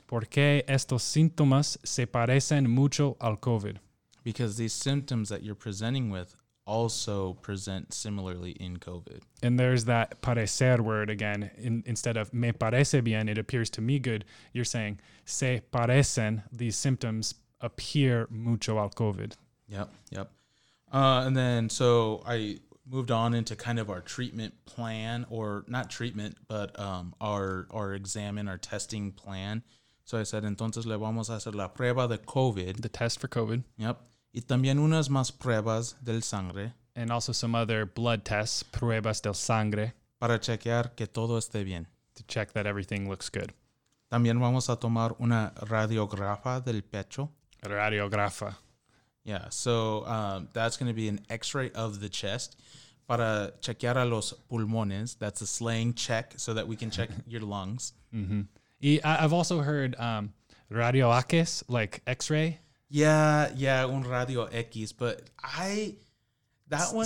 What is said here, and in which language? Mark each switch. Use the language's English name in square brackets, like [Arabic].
[Spanish] Porque estos síntomas se parecen mucho al COVID. [English] Because these symptoms that you're presenting with also present similarly in COVID. And there's that parecer word again. Instead of [Spanish] me parece bien, [English] it appears to me good. You're saying, [Spanish] se parecen, [English] these symptoms appear [Spanish] mucho al COVID. [English] Yep. And then, so I moved on into kind of our treatment plan, or not treatment, but our examine, our testing plan. So I said, [Spanish] entonces le vamos a hacer la prueba de COVID. [English] The test for COVID. Yep. [Spanish] Y también unas más pruebas del sangre. [English] And also some other blood tests, [Spanish] pruebas del sangre. Para chequear que todo esté bien. [English] To check that everything looks good. [Spanish] También vamos a tomar una radiografía del pecho. Radiografía. [English] Yeah, so that's going to be an x-ray of the chest. [Spanish] Para chequear a los pulmones, [English] that's a slang check so that we can check your lungs. Mm-hmm. I've also heard radio X, like x-ray. Yeah, [Spanish] un radio X, [English] but that one